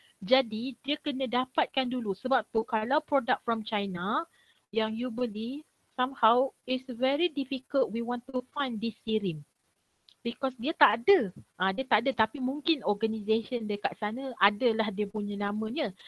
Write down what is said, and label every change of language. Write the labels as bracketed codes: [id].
[ms] Jadi dia kena dapatkan dulu. Sebab tu kalau produk [en] from China [ms] yang [en] you beli, somehow it's very difficult we want to find this serum. Because [ms] dia tak ada. Dia tak ada, tapi mungkin organisation dekat sana adalah dia punya namanya.